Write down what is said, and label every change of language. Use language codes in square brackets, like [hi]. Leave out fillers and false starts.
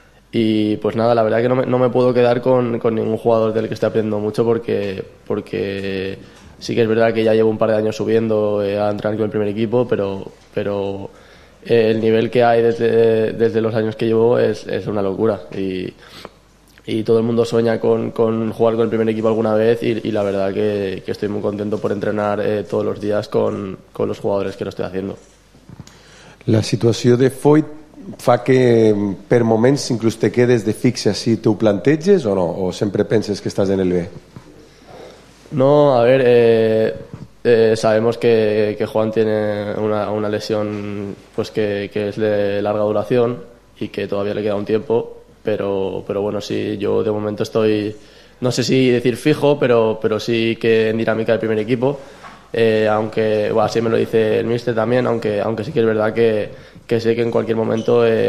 [es] Y pues nada, la verdad que no me puedo quedar con ningún jugador del que esté aprendiendo mucho porque sí que es verdad que ya llevo un par de años subiendo a entrenar con el primer equipo, pero el nivel que hay desde los años que llevo es una locura y todo el mundo sueña con jugar con el primer equipo alguna vez y la verdad que estoy muy contento por entrenar todos los días con los jugadores que lo estoy haciendo. [ca] La situació de Foyt fa que per moments inclús te quedes de fixe si t'ho planteges o no, o sempre penses que estàs en el B? [es] No, a ver, sabemos que Juan tiene una lesión pues que es de larga duración y que todavía le queda un tiempo, pero bueno, sí, yo de momento estoy, no sé si decir fijo, pero sí que en dinámica del primer equipo, aunque, bueno, así me lo dice el míster también, aunque sí que es verdad que sé que en cualquier momento